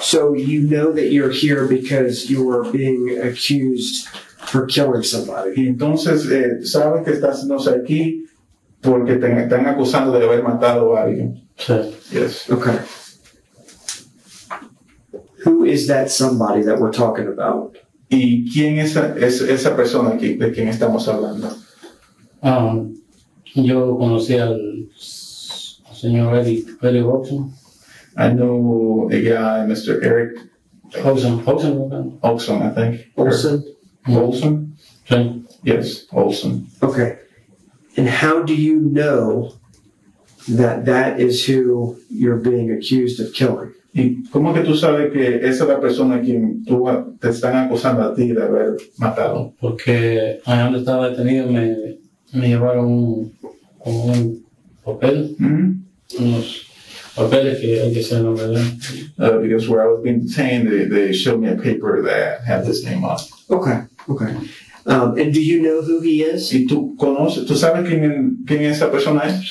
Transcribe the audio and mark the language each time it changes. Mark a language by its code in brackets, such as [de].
[en] So you know that you're here because you were being accused for killing somebody. [es] Y entonces, ¿sabes que estás no sé aquí porque te están acusando de haber matado a alguien? Sí. [en] Yes. Okay. Who is that somebody that we're talking about? [es] ¿Y quién es esa persona aquí de quien estamos hablando? Yo conocí al señor Eric Hobson. [en] I know a guy, Mr. Eric Hobson, I think. Olson? Olson? Yes, Olson. Okay. And how do you know that that is who you're being accused of killing? [es] ¿Y cómo que tú sabes que esa es la persona a quien tú te están acusando a ti de haber matado? Porque ahí donde estaba detenido me llevaron como un papel, unos papeles que hay que hacer el nombre de él. [en] Because where I was being detained, they showed me a paper that had this name on. Okay. And do you know who he is? [es] ¿Y tú conoces, tú sabes quién esa persona es?